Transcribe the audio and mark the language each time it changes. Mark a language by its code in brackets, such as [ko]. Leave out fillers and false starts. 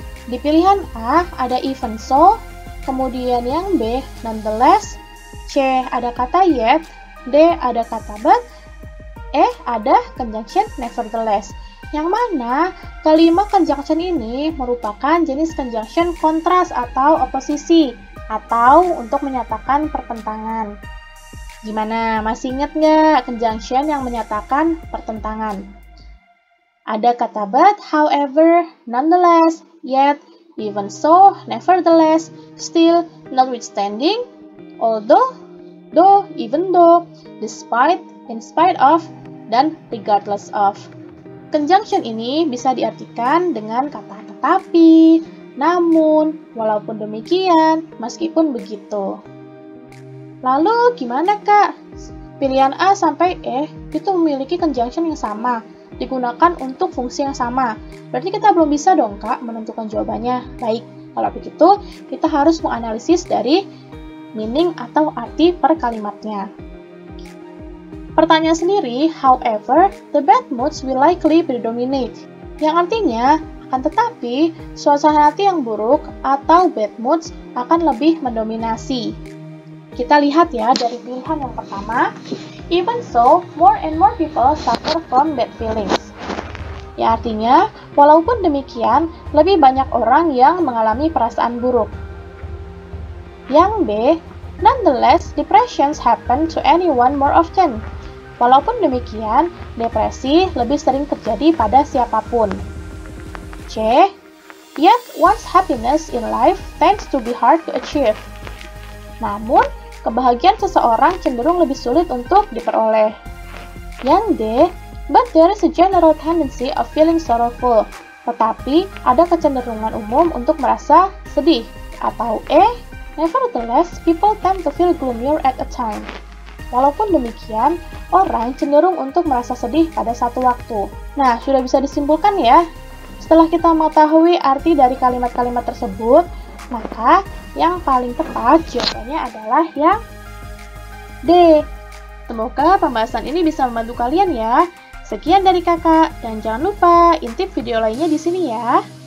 [id] Di pilihan A ada even so, kemudian yang B, nonetheless, C, ada kata yet, D, ada kata but, E, ada conjunction nevertheless. Yang mana kelima conjunction ini merupakan jenis conjunction kontras atau oposisi, atau untuk menyatakan pertentangan. Gimana, masih ingat nggak conjunction yang menyatakan pertentangan? Ada kata but, however, nonetheless, yet, even so, nevertheless, still, notwithstanding, although, though, even though, despite, in spite of, dan regardless of. Conjunction ini bisa diartikan dengan kata tetapi, namun, walaupun demikian, meskipun begitu. Lalu, gimana kak? Pilihan A sampai E itu memiliki conjunction yang sama, digunakan untuk fungsi yang sama. Berarti kita belum bisa dong kak menentukan jawabannya. Baik, kalau begitu kita harus menganalisis dari meaning atau arti per kalimatnya. Pertanyaan sendiri, [en] however, the bad moods will likely predominate. [id] Yang artinya, akan tetapi suasana hati yang buruk atau bad moods akan lebih mendominasi. kita lihat ya dari pilihan yang pertama. [en] Even so, more and more people suffer from bad feelings. [id] Ya, artinya, walaupun demikian, lebih banyak orang yang mengalami perasaan buruk. Yang B, [en] nonetheless, depressions happen to anyone more often. [id] Walaupun demikian, depresi lebih sering terjadi pada siapapun. [en] C, yet one's happiness in life tends to be hard to achieve. [id] Namun, kebahagiaan seseorang cenderung lebih sulit untuk diperoleh. Yang D, [en] but there is a general tendency of feeling sorrowful. [id] Tetapi, ada kecenderungan umum untuk merasa sedih. Atau E, [en] nevertheless, people tend to feel gloomier at a time. [id] Walaupun demikian, orang cenderung untuk merasa sedih pada satu waktu. Nah, sudah bisa disimpulkan ya? Setelah kita mengetahui arti dari kalimat-kalimat tersebut, maka yang paling tepat jawabannya adalah yang D. Semoga pembahasan ini bisa membantu kalian ya. Sekian dari kakak, dan jangan lupa intip video lainnya di sini ya.